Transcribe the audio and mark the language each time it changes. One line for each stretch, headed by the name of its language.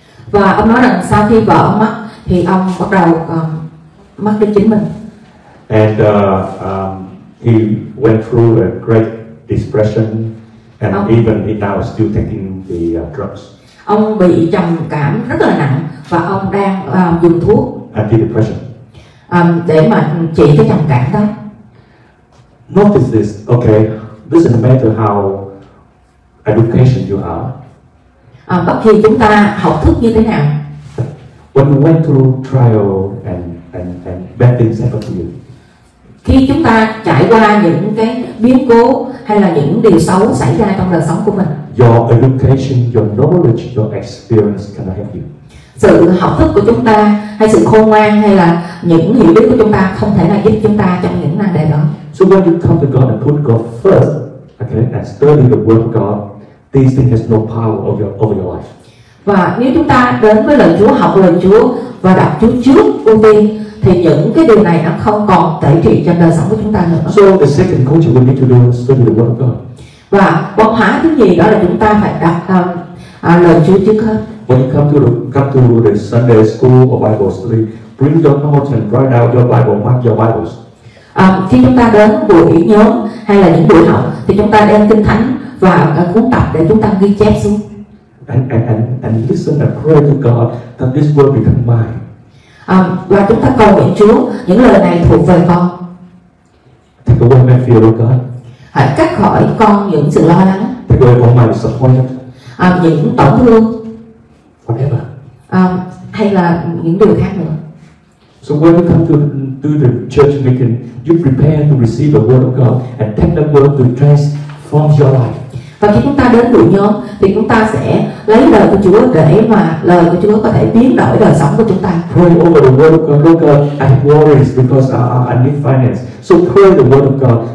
Vietnamese: Và ông nói rằng sau khi vợ mất thì ông bắt đầu mất đi chính mình.
English: And he went through a great depression and even he now is still taking the drugs.
Vietnamese: Ông bị trầm cảm rất là nặng và ông đang dùng thuốc
English: antidepressant
Vietnamese: để mà trị cái trầm cảm đó.
English: Notice this, okay, doesn't matter how education you are.
Vietnamese: Bất kỳ chúng ta học thức như thế nào.
English: When you went through trial and bad things happen to you.
Vietnamese: Khi chúng ta trải qua những cái biến cố hay là những điều xấu xảy ra trong đời sống của mình.
English: Your education, your knowledge, your experience cannot help you.
Vietnamese: Sự học thức của chúng ta hay sự khôn ngoan hay là những hiểu biết của chúng ta không thể nào giúp chúng ta trong những vấn đề đó.
English: So when you come to God and put God first, okay, and study the word of God, these things has no power over your life.
Vietnamese: Và nếu chúng ta đến với lời Chúa, học lời Chúa và đặt Chúa trước ưu tiên thì những cái điều này nó không còn tẩy trị cho đời sống của chúng ta nữa.
English: So the second culture we need to do is study the word of God.
Vietnamese: Và văn hóa thứ gì đó là chúng ta phải đặt lời Chúa trước hết.
English: When you come to the Sunday school or Bible study, bring your notes and write out your Bible, mark your Bibles.
Vietnamese: Khi chúng ta đến buổi nhóm hay là những buổi học thì chúng ta đem Kinh Thánh và cuốn tập để chúng ta ghi chép xuống.
English: And listen and pray to God that this word become mine.
Vietnamese: Và chúng ta cầu nguyện Chúa những lời này thuộc về con.
English: Take away my fear, oh God.
Vietnamese: Hãy cắt khỏi con những sự lo lắng.
English: Take away all my disappointment.
Vietnamese: Những tổn thương.
English: Whatever.
Vietnamese: Hay là những điều khác nữa.
English: So when you come to the church meeting, you prepare to receive the word of God and take that word to transform your life.
Vietnamese: Và khi chúng ta đến buổi nhóm thì chúng ta sẽ lấy lời của Chúa để mà lời của Chúa có thể biến đổi đời sống của chúng ta.
English: Pray over the word of God. Lord God, I have worries because I need finance. So pray the word of God.